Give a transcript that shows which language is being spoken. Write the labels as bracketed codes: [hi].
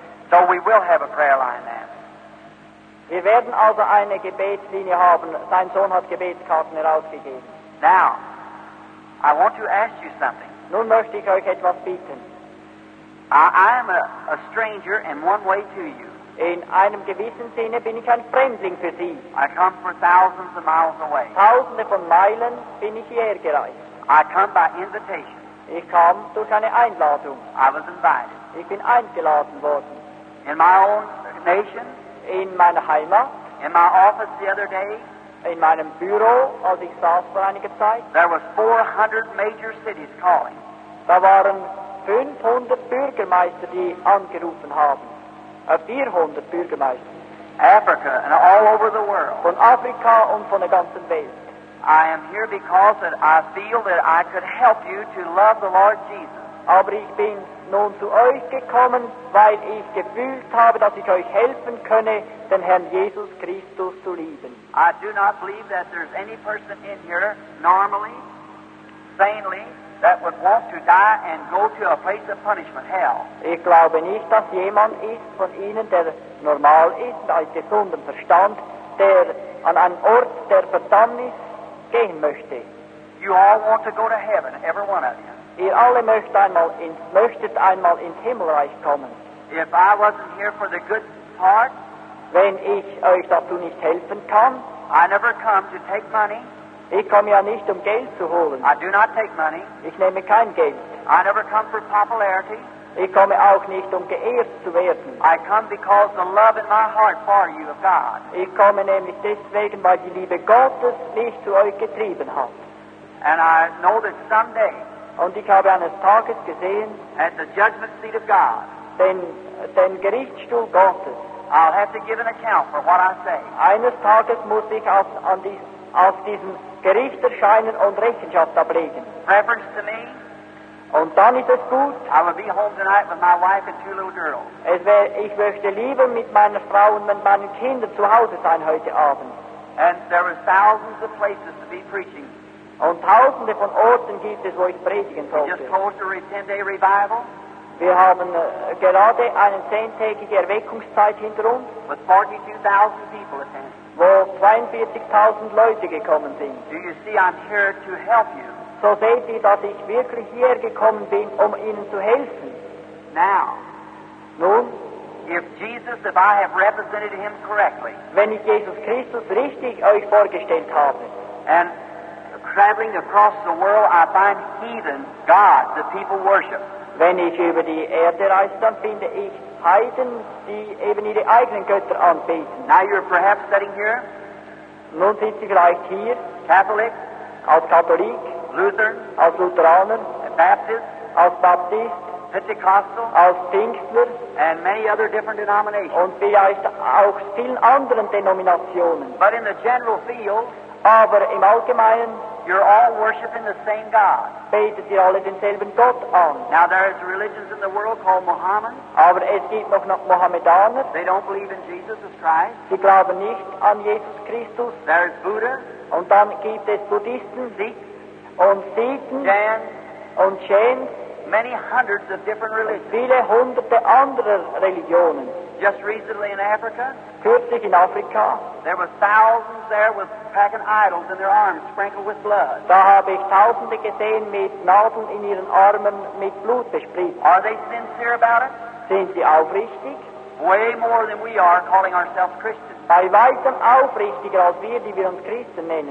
[en] So we will have a prayer line then. [de] Wir werden also eine Gebetslinie haben. Sein Sohn hat Gebetskarten herausgegeben. [en] Now, I want to ask you something. [de] Nun möchte ich euch etwas bieten. [en] I am a stranger in one way to you. [de] In einem gewissen Sinne bin ich ein Fremdling für Sie. [en] I come from thousands of miles away. [de] Tausende von Meilen bin ich hierher gereist. [en] I come by invitation. [de] Ich kam durch eine Einladung. [en] I was invited. [de] Ich bin eingeladen worden. [en] In my own nation. [de] In meiner Heimat. [en] In my office the other day. [de] In meinem Büro, als ich saß vor einiger Zeit. [en] There was 400 major cities calling. [de] Da waren 500 Bürgermeister, die angerufen haben. 400 Bürgermeister. [en] Africa and all over the world. [de] Von Afrika und von der ganzen Welt. [en] I am here because that I feel that I could help you to love the Lord Jesus. [de] Aber ich bin nun zu euch gekommen, weil ich gefühlt habe, dass ich euch helfen könne, den Herrn Jesus Christus zu lieben. [en] I do not believe that there's any person in here, normally, sanely, that would want to die and go to a place of punishment, hell. [de] Ich glaube nicht, dass jemand ist von Ihnen, der normal ist, aus gesundem Verstand, der an einen Ort der Verdammnis gehen möchte. [en] You all want to go to heaven, every one of you. [de] Ihr alle möchtet einmal ins Himmelreich kommen. [en] If I wasn't here for the good part, [de] wenn ich euch dazu nicht helfen kann, [en] I never come to take money. [de] Ich komme ja nicht, um Geld zu holen. [en] I do not take money. [de] Ich nehme kein Geld. [en] I never come for popularity. [de] Ich komme auch nicht, um geehrt zu werden. [en] I come because the love in my heart for you of God. [de] Ich komme nämlich deswegen, weil die Liebe Gottes mich zu euch getrieben hat. [en] And I know that someday, [de] und ich habe eines Tages gesehen, [en] at the judgment seat of God, [de] den Gerichtsstuhl Gottes, [en] I'll have to give an account for what I say. [de] Eines Tages muss ich auf diesem Gericht erscheinen und Rechenschaft ablegen. [en] Preference to me. [de] Und dann ist es gut. [en] I will be home tonight with my wife and two little girls. [de] Ich möchte lieber mit meiner Frau und mit meinen Kindern zu Hause sein heute Abend. [en] And there are thousands of places to be preaching. [de] Und tausende von Orten gibt es, wo ich predigen sollte. [en] We just hold a 10-day revival. [de] Wir haben gerade eine 10-tägige Erweckungszeit hinter uns, [en] with 42,000 people attending. [de] Wo 42,000 Leute gekommen sind. [en] Do you see I'm here to help you? [de] So seht ihr, dass ich wirklich hier gekommen bin, um Ihnen zu helfen. [en] Now, [de] nun, [en] if I have represented him correctly, [de] wenn ich Jesus Christus richtig euch vorgestellt habe, [en] and traveling across the world, I find heathen gods that people worship. [de] Wenn ich über die Erde reise, dann finde ich Heiden, die eben ihre eigenen Götter anbeten. [en] Now you're perhaps sitting here. [de] Nun sitze ich vielleicht hier. [en] Catholic. [de] Als Katholik. [en] Lutheran. [de] Als Lutheraner. [en] Baptist. [de] Als Baptist. [en] Pentecostal. [de] Als Pfingstler. [en] And many other different denominations. [de] Und vielleicht auch vielen anderen Denominationen. [en] But in the general field. [de] Aber im Allgemeinen. [en] You're all worshiping the same God. [de] Betet ihr alle denselben Gott an. [en] Now there is religions in the world called Mohammed. [de] Aber es gibt noch Mohammedaner. [en] They don't believe in Jesus as Christ. [de] Sie glauben nicht an Jesus Christus. [en] There is Buddha. [de] Und dann gibt es Buddhisten. [en] Sikhs. [de] Und Sikhen. [en] Jains. [de] Und Jains. [en] Many hundreds of different religions. [de] Viele hunderte anderer Religionen. [en] Just recently in Africa. [de] Kürzlich in Afrika. [en] There were thousands there with pagan idols in their arms sprinkled with blood. [de] Da habe ich tausende gesehen mit Nadeln in ihren Armen mit Blut besprüht. [en] Are they sincere about it? [de] Sind sie aufrichtig? [en] Way more than we are calling ourselves Christians. [de] Bei weitem aufrichtiger als wir, die wir uns Christen nennen.